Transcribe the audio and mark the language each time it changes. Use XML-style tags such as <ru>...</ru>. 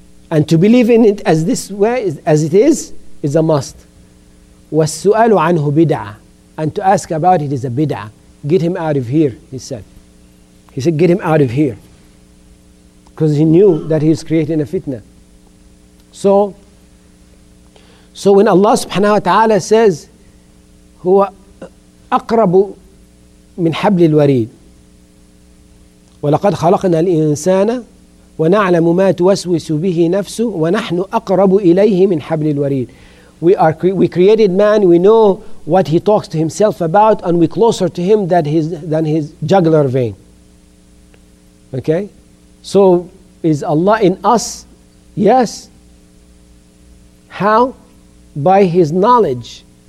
<en>And to believe in it as this way, as it is a must.</en> <ar>وَالسُّؤَالُ عَنْهُ بِدْعَةً.</ar> <en>And to ask about it is a bid'ah. Get him out of here, he said. He said, get him out of here. Because he knew that he was creating a fitna. So when Allah subhanahu wa ta'ala says,</en> <ar>هُوَ أَقْرَبُ مِنْ حَبْلِ الْوَرِيدِ وَلَقَدْ خَلَقْنَا الْإِنسَانَ وَنَعْلَمُ مَا تُوَسْوِسُ بِهِ نَفْسُهُ وَنَحْنُ أَقْرَبُ إِلَيْهِ مِنْ حَبْلِ الْوَرِيدِ.</ar> <en>We created man, we know what he talks to himself about, and we're closer to him than his jugular vein. Okay? So, is Allah in us? Yes. How? By his knowledge.</en>